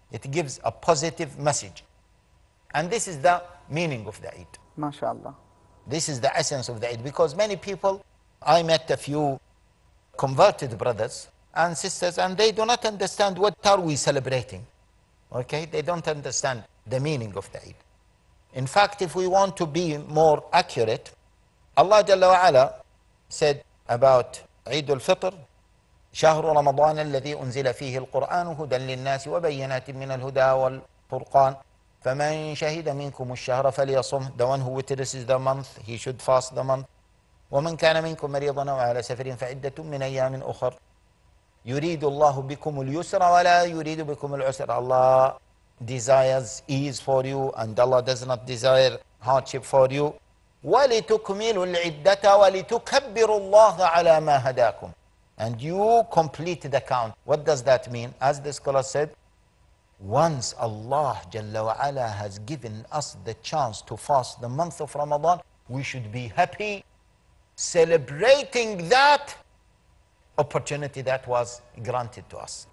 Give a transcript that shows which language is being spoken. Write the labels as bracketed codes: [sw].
[en] It gives a positive message. And this is the meaning of the Eid. MashaAllah. This is the essence of the Eid. Because many people, I met a few converted brothers and sisters, and they do not understand what are we celebrating. Okay, they don't understand the meaning of the Eid. In fact, if we want to be more accurate, Allah Jalla wa Ala said about Eid al-Fitr, [ar] شهر رمضان الذي أنزل فيه القرآن هدى للناس وبينات من الهدى والفرقان فمن شهد منكم الشهر فليصم. [en] The one who witnesses the month, he should fast the month. [ar] ومن كان منكم مريضا أو على سفر فعدة من أيام أخر. يريد الله بكم اليسر ولا يريد بكم العسر. [en] Allah desires ease for you, and Allah does not desire hardship for you. [ar] ولتكملوا العدة ولتكبروا الله على ما هداكم. [en] And you complete the count. What does that mean? As the scholar said, once Allah Jalla wa Ala has given us the chance to fast the month of Ramadan, we should be happy celebrating that opportunity that was granted to us.